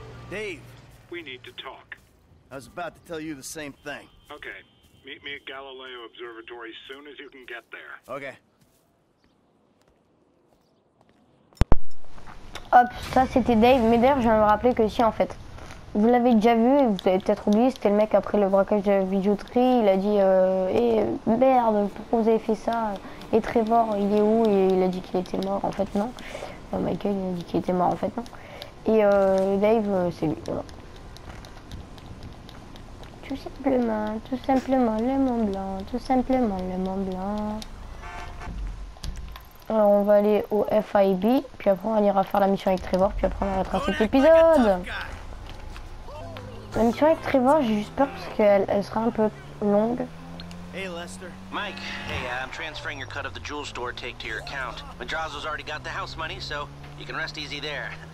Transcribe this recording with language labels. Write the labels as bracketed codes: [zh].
[en] Dave. We need to talk. I was about to tell you the same thing. Okay. Meet me at Galileo Observatory as soon as you can get there. Okay. [fr] Hop, ça c'était Dave, mais d'ailleurs je viens de me rappeler que si en fait, vous l'avez déjà vu et vous avez peut-être oublié, c'était le mec après le braquage de la bijouterie, il a dit eh merde, pourquoi vous avez fait ça? Et Trevor, il est où? Et il a dit qu'il était mort, en fait non. Michael, il a dit qu'il était mort, en fait non. Et Dave, c'est lui. Voilà. Tout simplement le Mont Blanc, tout simplement le Mont Blanc. Alors on va aller au FIB, puis après on ira faire la mission avec Trevor, puis après on arrêtera cet épisode. La mission avec Trevor, j'ai juste peur parce qu'elle sera un peu longue. [en] Hey Lester. Mike, hey, I'm transferring your cut of the jewel store take to your account. Madrazo's already got the house money, so you can rest easy there.